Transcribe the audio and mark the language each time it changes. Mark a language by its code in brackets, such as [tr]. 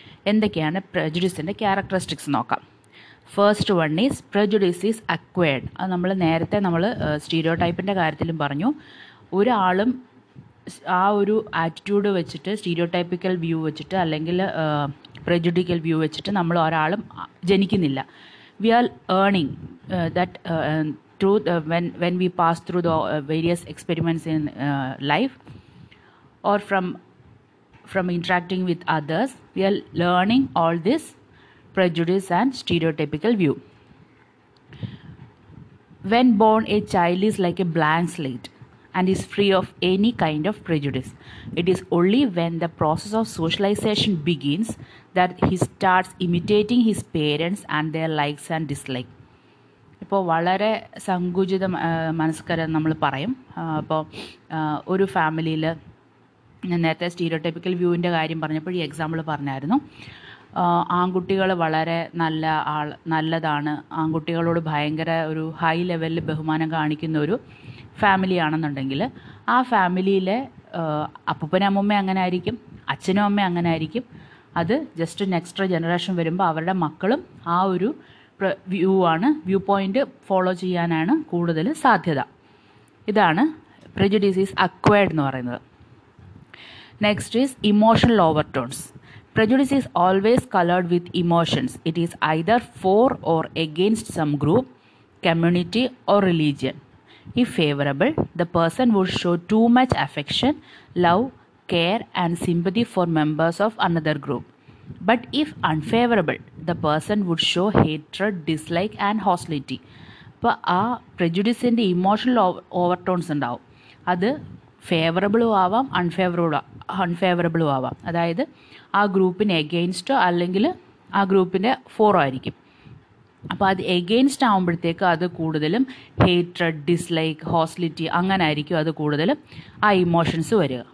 [ml] എന്തൊക്കെയാണ് പ്രെജുഡിസിൻ്റെ ക്യാരക്ടറിസ്റ്റിക്സ് നോക്കാം. [en] First one is prejudice is acquired. [ml] അത് നമ്മൾ നേരത്തെ നമ്മൾ സ്റ്റീരിയോടൈപ്പിൻ്റെ കാര്യത്തിലും പറഞ്ഞു. ഒരാളും ആ ഒരു ആറ്റിറ്റ്യൂഡ് വെച്ചിട്ട്, സ്റ്റീരിയോടൈപ്പിക്കൽ വ്യൂ വെച്ചിട്ട് അല്ലെങ്കിൽ പ്രെജുഡിക്കൽ വ്യൂ വെച്ചിട്ട് നമ്മൾ ഒരാളും ജനിക്കുന്നില്ല. [en] we are earning that truth when we pass through the various experiments in life, or from interacting with others, we are learning all this prejudice and stereotypical view. When born, a child is like a blank slate and is free of any kind of prejudice. It is only when the process of socialization begins that he starts imitating his parents and their likes and dislikes. [ml] ഇപ്പോൾ വളരെ സങ്കുചിത മനസ്കാരം നമ്മൾ പറയും. അപ്പോൾ ഒരു ഫാമിലിയിൽ നേരത്തെ stereotypical വ്യൂവിൻ്റെ കാര്യം പറഞ്ഞപ്പോൾ ഈ എക്സാമ്പിൾ പറഞ്ഞായിരുന്നു. ആൺകുട്ടികൾ വളരെ നല്ല നല്ലതാണ്, ആൺകുട്ടികളോട് ഭയങ്കര ഒരു ഹൈ ലെവലിൽ ബഹുമാനം കാണിക്കുന്ന ഒരു ഫാമിലിയാണെന്നുണ്ടെങ്കിൽ ആ ഫാമിലിയിലെ അപ്പൂപ്പനമ്മ അങ്ങനെ ആയിരിക്കും, അച്ഛനും അമ്മ അങ്ങനെ ആയിരിക്കും. അത് ജസ്റ്റ് നെക്സ്റ്റ് ജനറേഷൻ വരുമ്പോൾ അവരുടെ മക്കളും ആ ഒരു വ്യൂ ആണ്, വ്യൂ പോയിൻ്റ് ഫോളോ ചെയ്യാനാണ് കൂടുതൽ സാധ്യത. ഇതാണ് [en] prejudice is acquired [ml] എന്ന് പറയുന്നത്. [en] Next is emotional overtones. Prejudice is always coloured with emotions. It is either for or against some group, community or religion. If favourable, the person would show too much affection, love, care and sympathy for members of another group. But if unfavorable, the person would show hatred, dislike and hostility. [ml] അപ്പോൾ ആ പ്രെജുഡിസിൻ്റെ emotional overtones ഉണ്ടാവും. അത് ഫേവറബിളും ആവാം, അൺഫേവറബിളും ആവാം. അതായത് ആ ഗ്രൂപ്പിന് എഗെയിൻസ്റ്റോ അല്ലെങ്കിൽ ആ ഗ്രൂപ്പിൻ്റെ ഫോറോ ആയിരിക്കും. അപ്പോൾ അത് എഗെയിൻസ്റ്റ് ആകുമ്പോഴത്തേക്ക് അത് കൂടുതലും ഹേറ്റഡ്, ഡിസ്ലൈക്ക്, ഹോസ്റ്റിലിറ്റി അങ്ങനെ ആയിരിക്കും അത് കൂടുതലും ആ ഇമോഷൻസ് വരിക.